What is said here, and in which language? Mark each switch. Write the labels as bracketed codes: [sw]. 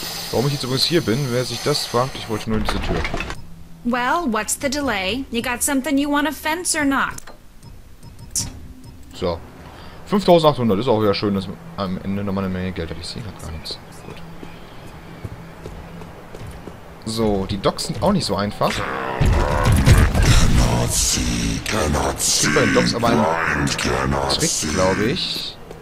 [de] Warum ich jetzt übrigens hier bin, wer sich das fragt, ich wollte nur in diese Tür. [en] Well, what's the delay? You got something you want to fence or not? [de] So. 5800 ist auch wieder schön, dass man am Ende nochmal eine Menge Geld hat. Ich sehe gerade gar nichts. Gut. So, die Docks sind auch nicht so einfach. Es gibt bei den Docks aber einen Trick, glaube ich.